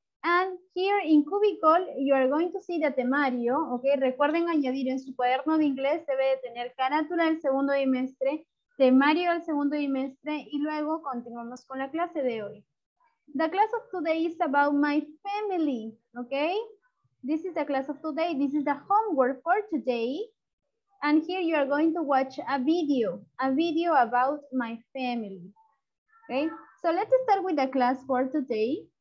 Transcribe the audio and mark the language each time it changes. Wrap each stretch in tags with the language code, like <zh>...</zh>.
<en>And here in cubicle, you are going to see the temario. Okay.</en> <es>Recuerden añadir en su cuaderno de inglés, debe de tener carátula del segundo trimestre, temario del segundo trimestre, y luego continuamos con la clase de hoy.</es> <en>The class of today is about my family. Okay. This is the class of today. This is the homework for today. And here you are going to watch a video about my family. Okay, so let's start with the class for today.</en>